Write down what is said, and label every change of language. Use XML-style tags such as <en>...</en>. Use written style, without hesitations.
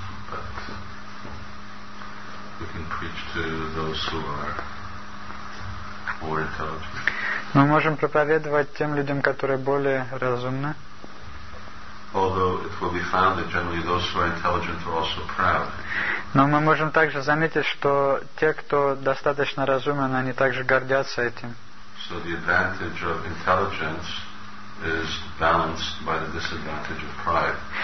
<en>But we can preach to those who are more intelligent.</en> <ru>Мы можем проповедовать тем людям, которые более разумны.</ru> <en>Although it will be found that generally those who are intelligent are also proud.</en> <ru>Но мы можем также заметить, что те, кто достаточно разумен, они также гордятся этим.</ru> <en>So the advantage of intelligence is balanced by the disadvantage of pride.</en>